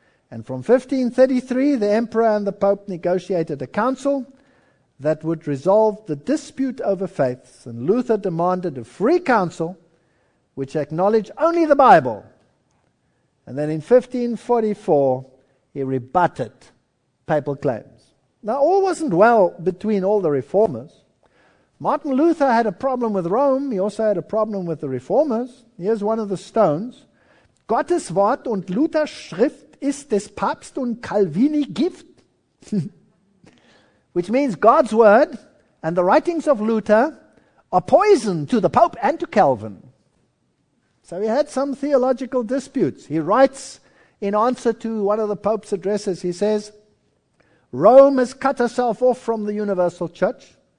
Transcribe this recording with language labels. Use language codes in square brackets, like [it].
[en] And from 1533, the Emperor and the Pope negotiated a council that would resolve the dispute over faiths, and Luther demanded a free council which acknowledged only the Bible. And then in 1544, he rebutted papal claims. Now, all wasn't well between all the reformers. Martin Luther had a problem with Rome. He also had a problem with the reformers. Here's one of the stones. [de] Gottes Wort und Luthers Schrift ist des Papst und Calvini Gift. [en] Which means God's word and the writings of Luther are poison to the Pope and to Calvin. So he had some theological disputes. He writes in answer to one of the Pope's addresses, he says, Rome has cut herself off from the universal church.